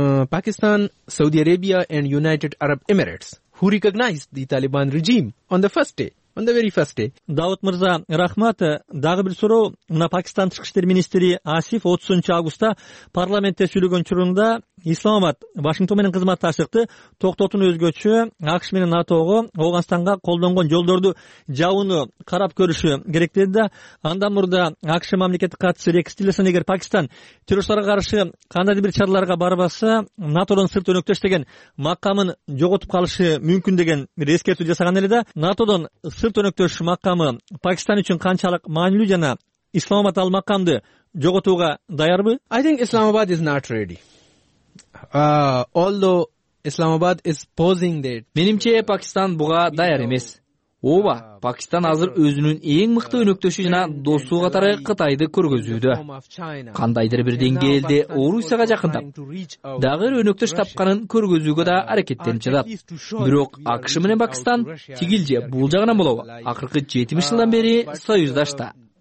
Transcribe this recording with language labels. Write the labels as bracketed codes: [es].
[en] Pakistan, Saudi Arabia and United Arab Emirates who recognized the Taliban regime on the first day. [ky] Дауыт Мырза, рахмат. Дагы бир суроо, мына Пакистан тышкы иштер министри Асиф 30 августта парламентте сүйлөгөн чурунда Исламабад Вашингтон менен кызматташтыкты токтотууну өзгөчө АКШ менен НАТОго Ооганстанга колдонгон жолдорду жабууну карап көрүшү керек деди да, андан мурда АКШ мамлекети катчысы Рекс Тиллерсон эгер Пакистан террорчуларга каршы кандайдыр бир чараларга барбаса НАТОдон сырт өнөктөш деген макамын жоготуп калышы мүмкүн деген бир эскертүү жасаган эле да, НАТОдон сыр төнөктөш макамы Пакистан үчүн канчалык маанилүү жана Исламабад ал макамды жоготууга даярбы? [en] I think Islamabad is not ready. Although Islamabad is posing that. [ky] Менимче Пакистан буга даяр эмес. Ооба, Пакистан азыр өзүнүн эң мыкты өнөктөшү жана досу катары Кытайды көргөзүүдө. Кандайдыр бир деңгээлде Орусияга жакындап, дагы өнөктөш тапканын көргөзүүгө да аракеттенип жатат. Бирок АКШ менен Пакистан тигил же бул жагынан болобу, акыркы 70 жылдан бери союздашта.